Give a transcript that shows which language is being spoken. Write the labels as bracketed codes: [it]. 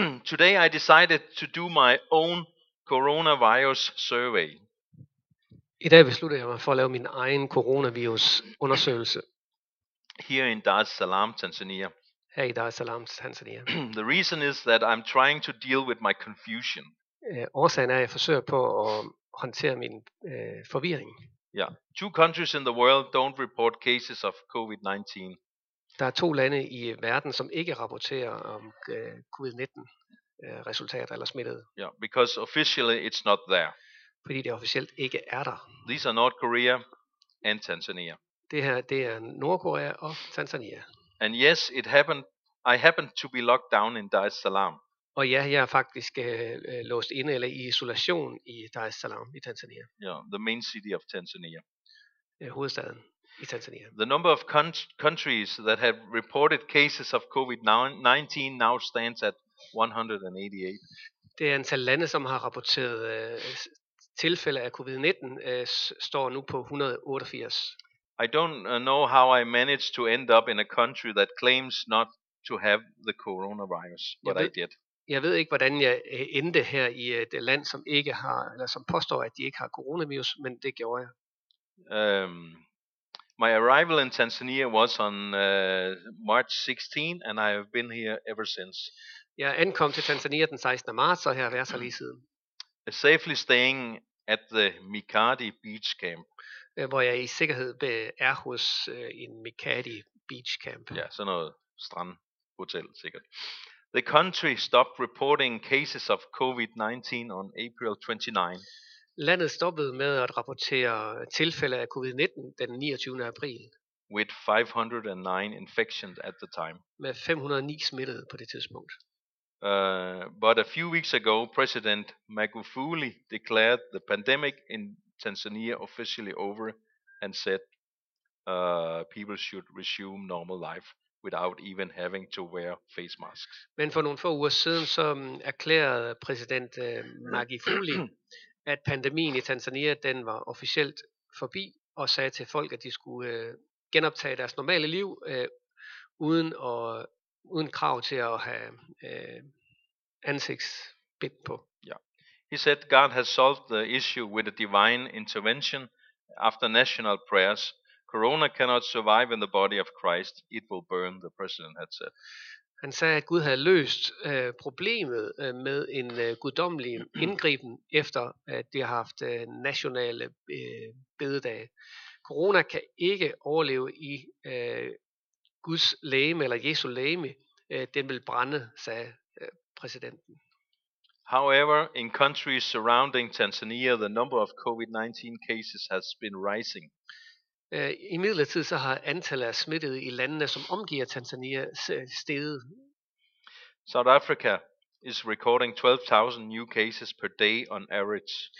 [en] Today I decided to do my own coronavirus survey. [da] I dag besluttede jeg mig for at lave min egen coronavirus undersøgelse. [en] Here in Dar es Salaam, Tanzania. [da] Her i Dar es Salaam, Tanzania. [en] The reason is that I'm trying to deal with my confusion. [da] Årsagen er, at jeg forsøger på at håndtere min forvirring. [en] Yeah. Two countries in the world don't report cases of COVID-19. [da] Der er to lande i verden, som ikke rapporterer om COVID-19. Resultater eller smittede. [en] Yeah, because officially it's not there. [da] Fordi det officielt ikke er der. [en] These are North Korea and Tanzania. [da] Det her, det er Nordkorea og Tanzania. [en] And yes, it happened. I happened to be locked down in Dar es Salaam. [da] Og ja, jeg er faktisk låst inde eller i isolation i Dar es Salaam i Tanzania. [en] Yeah, the main city of Tanzania. [da] Hovedstaden i Tanzania. [en] The number of countries that have reported cases of COVID-19 now stands at 188. [da] Det er antal lande, som har rapporteret tilfælde af COVID-19, står nu på 188. [en] I don't know how I managed to end up in a country that claims not to have the coronavirus, but I did. [da] Jeg ved ikke, hvordan jeg endte her i et land, som ikke har, eller som påstår, at de ikke har coronavirus, men det gjorde jeg. [en] My arrival in Tanzania was on March 16, and I have been here ever since. [da] Jeg ankom til Tanzania den 16. marts, og her har været så lige siden. [en] Safely staying at the Mikadi Beach Camp. [da] Hvor jeg i sikkerhed er hos en Mikadi Beach Camp. Ja, sådan noget strandhotel sikkert. [en] The country stopped reporting cases of COVID-19 on April 29. [da] Landet stoppede med at rapportere tilfælde af COVID-19 den 29. april. [en] With 509 infections at the time. [da] Med 509 smittede på det tidspunkt. [en] But a few weeks ago, President Magufuli declared the pandemic in Tanzania officially over and said people should resume normal life without even having to wear face masks. [da] Men for nogle få uger siden, så erklærede præsident Magufuli, at pandemien i Tanzania, den var officielt forbi, og sagde til folk, at de skulle genoptage deres normale liv uden krav til at have ansigtsbind på. [en] Yeah. He said God has solved the issue with a divine intervention after national prayers. Corona cannot survive in the body of Christ. It will burn, the president had said. [da] Han sagde, at Gud havde løst problemet med en guddommelig indgriben, efter at de har haft nationale bededage. Corona kan ikke overleve i Guds lægeme eller Jesu lægeme. Den vil brænde, sagde præsidenten. [en] However, in countries surrounding Tanzania, the number of COVID-19 cases has been rising. [da] I midlertid så har antallet af smittede i landene, som omgiver Tanzania, steget. [en] South Africa is recording 12,000 new cases per day on average.